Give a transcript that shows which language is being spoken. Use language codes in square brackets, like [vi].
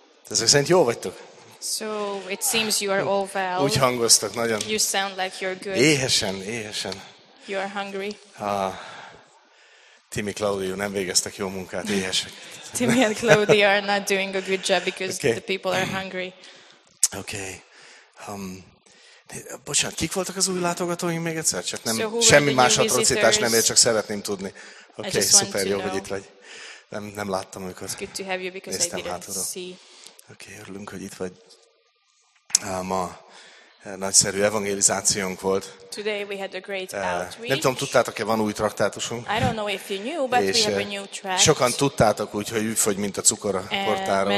[hu] Ezek szerint jó vagytok? [en] So it seems you are all well. [hu] Úgy hangoztok nagyon. [en] You sound like you're good. [hu] Éhesen. [en] You are hungry. [hu] Timi, Claudio nem végeztek jó munkát, éhesek. [en] Timi and Claudio are not doing a good job because okay. The people are hungry. Okay. [hu] Bocsánat, kik voltak az új látogatóim még egyszer? Csak nem, semmi más atrocitás nem ér, csak szeretném tudni. Oké, szuper, jó, hogy itt vagy. Nem láttam őket. [en] It's good to have you because [hu] néztem [en] I didn't hátulról. See. [hu] Oké, örülünk, hogy itt vagy. Ma nagyszerű evangelizációnk volt. [en] Today we had a great outreach. [hu] Nem tudom, tudtátok-e, van új traktátusunk. [en] I don't know if you knew, but we have a new tract. [hu] Sokan tudtátok, úgyhogy úgy fogy, mint a cukor a portáról.